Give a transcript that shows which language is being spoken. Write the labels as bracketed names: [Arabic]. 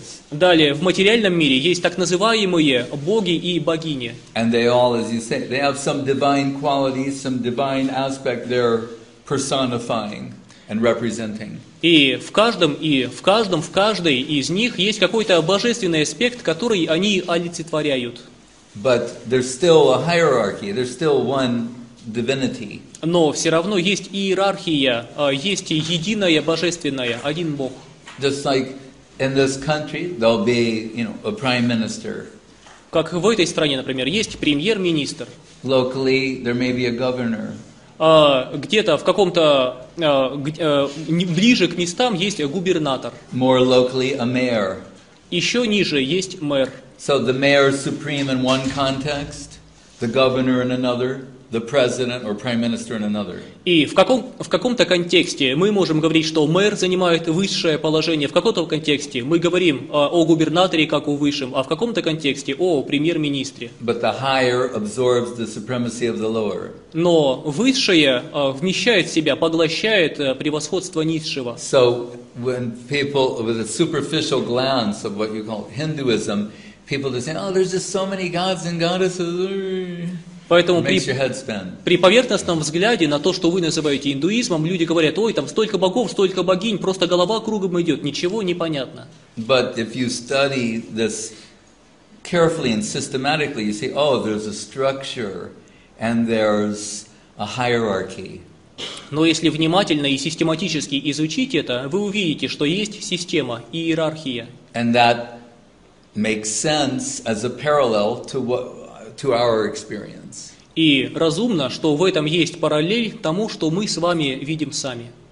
[Russian] Далее, в материальном мире есть так называемые боги и богини. [English] And they all, as you say, they have some divine qualities, some divine aspect they're personifying. and representing. [Russian] И в каждом, и в каждом, в каждой из них есть какой-то божественный аспект, который они олицетворяют. [English] But there's still a hierarchy, there's still one divinity. [Russian] Но все равно есть иерархия, есть единое божественное, один Бог. [English] Just like in this country, there'll be, you know, a prime minister. [Russian] Как в этой стране, например, есть премьер-министр. [English] Locally, there may be a governor. [Russian] Где-то в каком-то ближе к местам есть губернатор. [English] More locally, a mayor. [Russian] Еще ниже есть мэр. [English] So the mayor is supreme in one context, the governor in another, the president or prime minister in another. [Russian] И в каком-то контексте мы можем говорить, что мэр занимает высшее положение. В каком-то контексте мы говорим о губернаторе как о высшем, а в каком-то контексте о премьер-министре. [English] But the higher absorbs the supremacy of the lower. [Russian] Но высшее вмещает в себя, поглощает превосходство низшего. [English] So when people with a superficial glance of what you call Hinduism, people just say, "Oh, there's just so many gods and goddesses." [Russian] Поэтому при поверхностном взгляде на то, что вы называете индуизмом, люди говорят: ой, там столько богов, столько богинь, просто голова кругом идет, ничего не понятно. [English] But if you study this carefully and systematically, you see, oh, there's a structure and there's a hierarchy. [Russian] Но если внимательно и систематически изучить это, вы увидите, что есть система и иерархия. [English] And that makes sense as a parallel to what to our experience. [Russian] И разумно, что в этом есть параллель тому, что мы с вами видим сами.